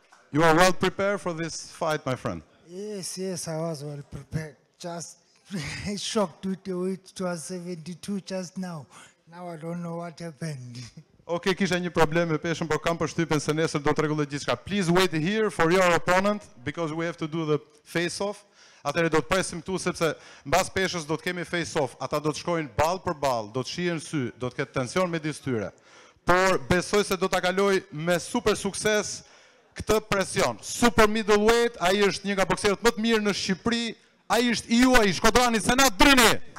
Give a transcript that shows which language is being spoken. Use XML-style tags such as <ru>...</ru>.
<en>You are well prepared for this fight, my friend. Yes, yes, I was well prepared. Just shocked with the weight, it was 72 just now. Now I don't know what happened.</en> <sq>Okay, kisha një problem me peshën, por kam përshtypjen se nesër do të rregullojë gjithçka.</sq> <en>Please wait here for your opponent because we have to do the face off.</en> <sq>Atëherë do të presim këtu sepse mbas peshës do të kemi face off. Ata do të shkojnë ball për ball, do të shihen sy, do të ketë tension midis tyre. Por besoj se do ta kaloj me super sukses këtë presion. Super middleweight, ai është një nga bokserët më të mirë në Shqipëri, ai është i juaj, Shkodrani Senat Drini.</sq>